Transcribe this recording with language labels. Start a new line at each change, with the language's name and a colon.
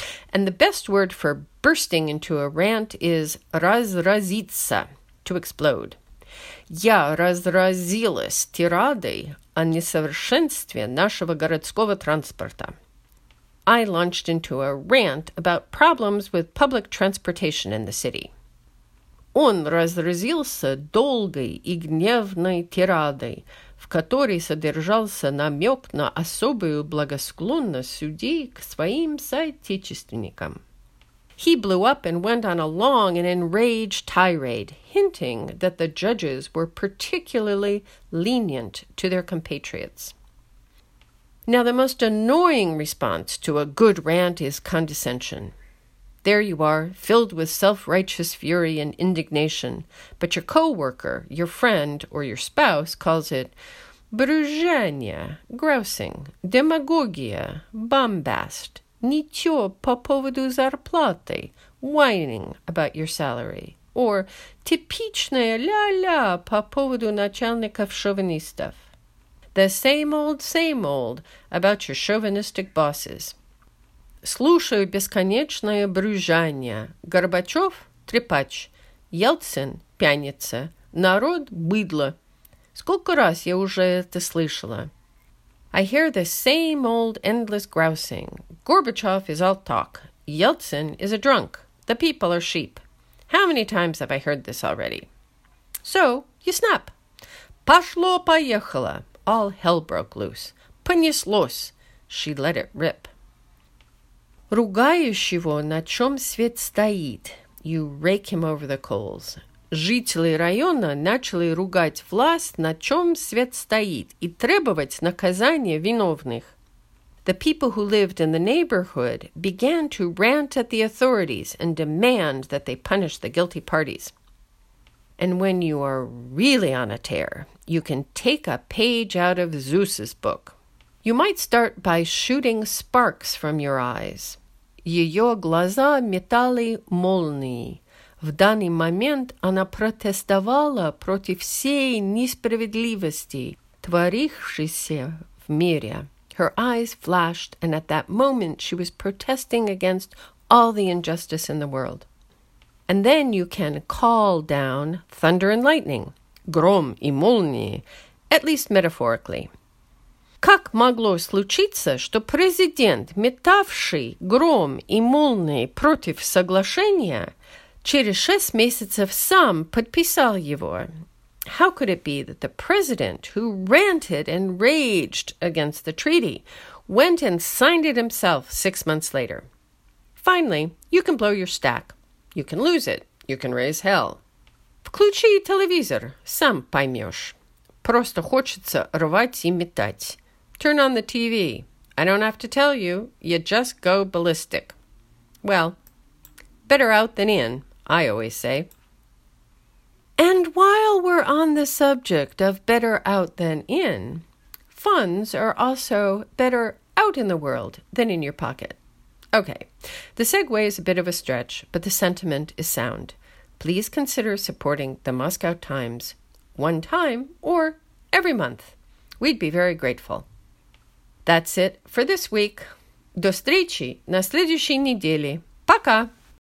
English: And the best word for bursting into a rant is разразиться, to explode.
Russian: Я разразилась тирадой о несовершенстве нашего городского транспорта.
English: I launched into a rant about problems with public transportation in the city.
Russian: Он разразился долгой и гневной тирадой, в которой содержался намек на особую благосклонность судей к своим соотечественникам.
English: He blew up and went on a long and enraged tirade, hinting that the judges were particularly lenient to their compatriots. Now, the most annoying response to a good rant is condescension. There you are, filled with self-righteous fury and indignation, but your co-worker, your friend, or your spouse calls it брюзжание, grousing, демагогия, бомбаст,
Russian: нытьё по поводу зарплаты,
English: whining about your salary, or
Russian: типичное ля-ля по поводу начальников шовинистов.
English: The same old about your chauvinistic bosses.
Russian: Слушаю бесконечное брюзжание. Горбачев – трепач. Ельцин – пьяница. Народ – быдло. Сколько раз я уже это слышала?
English: I hear the same old endless grousing. Gorbachev is all talk. Ельцин is a drunk. The people are sheep. How many times have I heard this already? So, you snap.
Russian: Пошло-поехало.
English: All hell broke loose.
Russian: Понеслось.
English: She let it rip.
Russian: Ругающего, на чем свет стоит.
English: You rake him over the coals.
Russian: Жители района начали ругать власть, на чем свет стоит, и требовать наказания виновных.
English: The people who lived in the neighborhood began to rant at the authorities and demand that they punish the guilty parties. And when you are really on a tear, you can take a page out of Zeus's book. You might start by shooting sparks from your eyes.
Russian: Ее глаза метали молнии. В данный момент она протестовала против всей несправедливости, творившейся в мире.
English: Her eyes flashed, and at that moment she was protesting against all the injustice in the world. And then you can call down thunder and lightning,
Russian: гром и молнии,
English: at least metaphorically.
Russian: Как могло случиться, что президент, метавший гром и молнии против соглашения, через 6 месяцев сам подписал его?
English: How could it be that the president, who ranted and raged against the treaty, went and signed it himself 6 months later? Finally, you can blow your stack. You can lose it. You can raise hell.
Russian: Включи телевизор, сам поймешь. Просто хочется рвать и метать.
English: Turn on the TV. I don't have to tell you. You just go ballistic. Well, better out than in, I always say. And while we're on the subject of better out than in, funds are also better out in the world than in your pocket. Okay, the segue is a bit of a stretch, but the sentiment is sound. Please consider supporting the Moscow Times one time or every month. We'd be very grateful. That's it for this week.
Russian: До встречи на следующей неделе. Пока!